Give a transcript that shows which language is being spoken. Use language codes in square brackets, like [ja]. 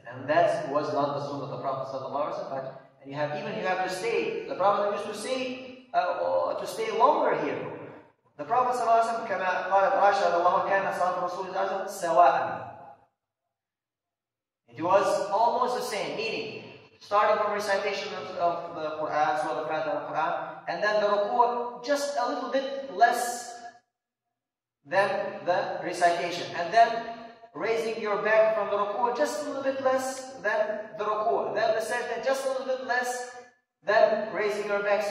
[en] And that was not the sunnah of the Prophet Sallallahu Alaihi Wasallam. You have to stay. The Prophet used to say to stay longer here. [ar] The Prophet Sallallahu Alaihi Wasallam كما قال عائشة رضي الله عنها كان صلاة رسول الله صلى الله عليه وسلم سواء. [en] It was almost the same, meaning starting from recitation of the Quran, so the Prophet of the Quran, and then the ruku', just a little bit less than the recitation, and then raising your back from the ruku', just a little bit less than the ruku', then the sajda, just a little bit less than raising your back.